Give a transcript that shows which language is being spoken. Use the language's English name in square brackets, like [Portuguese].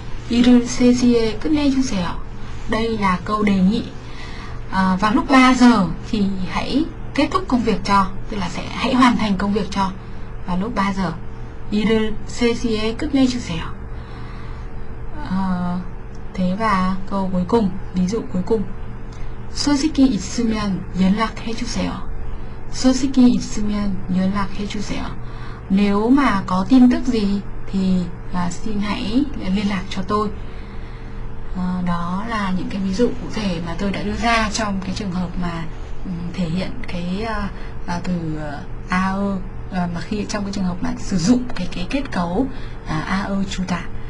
[Korean] 이른 3시에 끝내주세요. [Vietnamese] Đây là câu đề nghị. Vào lúc 3 giờ thì hãy kết thúc công việc cho, tức là sẽ hãy hoàn thành công việc cho vào lúc 3 giờ. [Korean] 이른 3시에 끝내주세요. [Vietnamese] Thế và câu cuối cùng, ví dụ cuối cùng. [Korean] 소식이 있으면 연락해주세요. 소식이 있으면 연락해주세요. [Vietnamese] Nếu mà có tin tức gì thì xin hãy liên lạc cho tôi. Đó là những cái ví dụ cụ thể mà tôi đã đưa ra trong cái trường hợp mà thể hiện cái từ ao, mà khi trong cái trường hợp mà sử dụng cái kết cấu ao chủ tả.